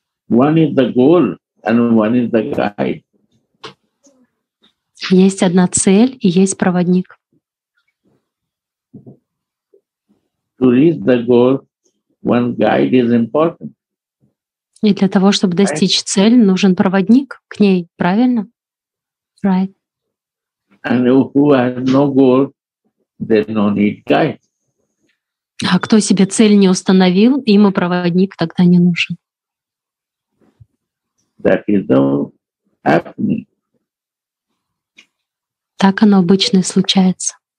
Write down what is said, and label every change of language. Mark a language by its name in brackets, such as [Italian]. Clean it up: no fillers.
[English] One is the goal, and one is the guide. [Russian] Есть одна цель и есть проводник. [English] To reach the goal, one guide is important. [Russian] И для того, чтобы достичь [English] right. [Russian] цели, нужен проводник к ней, правильно? [English] Right. And who has no goal, there's no need guide. [Russian] А кто себе цель не установил, ему проводник тогда не нужен. [English] That is the happening. [Russian] Так оно обычно и случается.